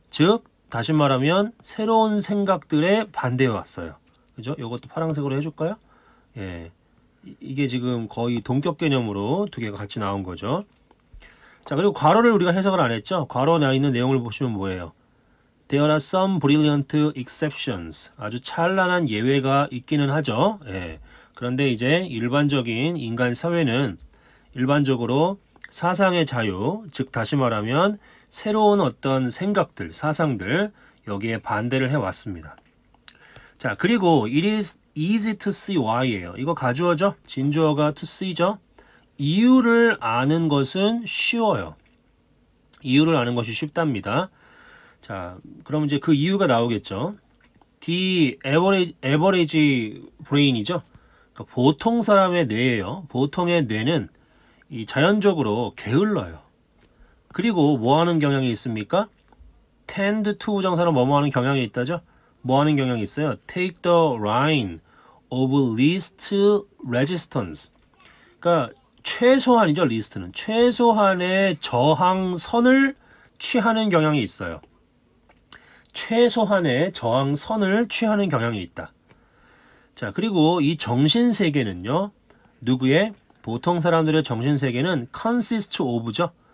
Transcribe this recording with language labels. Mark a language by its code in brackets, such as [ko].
[ko] 즉, 다시 말하면, 새로운 생각들에 반대해 왔어요. 그죠? 이것도 파란색으로 해줄까요? 예. 이게 지금 거의 동격 개념으로 두 개가 같이 나온 거죠. 자, 그리고 괄호를 우리가 해석을 안 했죠? 괄호 나 있는 내용을 보시면 뭐예요? [en] There are some brilliant exceptions. [ko] 아주 찬란한 예외가 있기는 하죠. 예. 그런데 이제 일반적인 인간 사회는 일반적으로 사상의 자유, 즉 다시 말하면 새로운 어떤 생각들, 사상들 여기에 반대를 해왔습니다. [en] 자, 그리고 it is easy to see why예요. [ko] 이거 가주어죠? 진주어가 to see죠? 이유를 아는 것은 쉬워요. 이유를 아는 것이 쉽답니다. 자, 그럼 이제 그 이유가 나오겠죠? [en] The average brain이죠? [ko] 그러니까 보통 사람의 뇌예요. 보통의 뇌는 이 자연적으로 게을러요. 그리고 뭐 하는 경향이 있습니까? tend to 부정사로 뭐뭐 하는 경향이 있다죠? 뭐 하는 경향이 있어요? [en] take the line of least resistance. [ko] 그러니까 최소한이죠, 리스트는. 최소한의 저항선을 취하는 경향이 있어요. 최소한의 저항선을 취하는 경향이 있다. 자, 그리고 이 정신세계는요, 누구의 보통 사람들의 정신세계는 consist of죠.